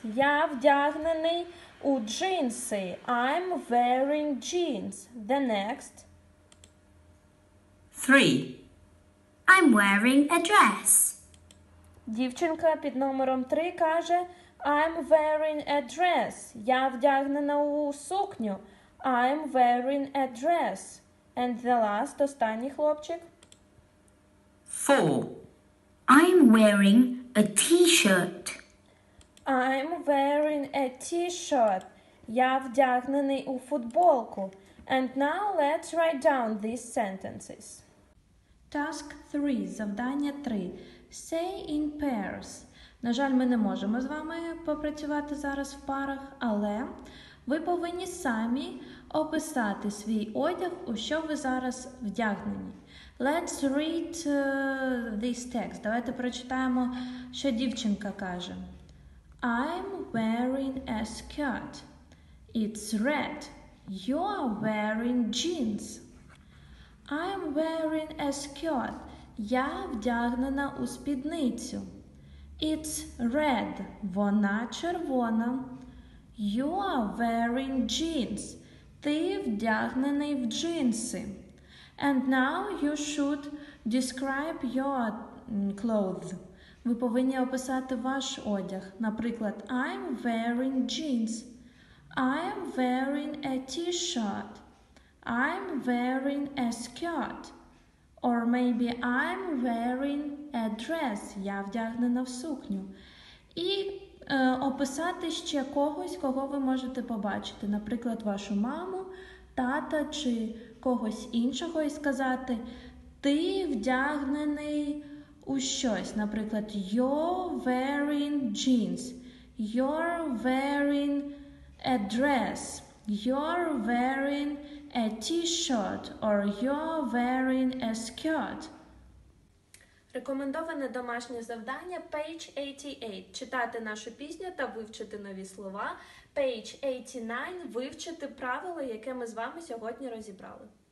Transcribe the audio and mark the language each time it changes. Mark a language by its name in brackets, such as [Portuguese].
[Ukrainian] Я вдягнений у джинси. [English] I'm wearing jeans. The next. 3. I'm wearing a dress. [Ukrainian] Дівчинка під номером 3 каже: [English] I'm wearing a dress. [Ukrainian] Я вдягнена у сукню. [English] I'm wearing a dress. And the last, [Ukrainian] останній хлопчик. [English] 4. I'm wearing a t-shirt. I'm wearing a t-shirt. [Ukrainian] Я вдягнений у футболку. [English] And now let's write down these sentences. Task 3. [Ukrainian] Завдання 3. [English] Say in pairs. [Ukrainian] На жаль, ми не можемо з вами попрацювати зараз в парах, але ви повинні самі описати свій одяг, у що ви зараз вдягнені. [English] Let's read this text. [Ukrainian] Давайте прочитаємо, що дівчинка каже. [English] I'm wearing a skirt. It's red. You are wearing jeans. I'm wearing a skirt. [Ukrainian] Я вдягнена у спідницю. [English] It's red. [Ukrainian] Вона червона. [English] You are wearing jeans. [Ukrainian] Ти вдягнений в джинси. [English] And now you should describe your clothes. [Ukrainian] Ви повинні описати ваш одяг. [English] Наприклад, I'm wearing jeans. I'm wearing a t-shirt. I'm wearing a skirt. Or maybe I'm wearing a dress. [Ukrainian] Я вдягнена в сукню. І описати ще когось, кого ви можете побачити. Наприклад, вашу маму, тата чи когось іншого, і сказати: ти вдягнений у щось. [English] Наприклад, you're wearing jeans, you're wearing a dress, you're wearing a t-shirt, or you're wearing a skirt. [Ukrainian] Рекомендоване домашнє завдання – page 88. Читати нашу пісню та вивчити нові слова. Page 89 – вивчити правила, яке ми з вами сьогодні розібрали.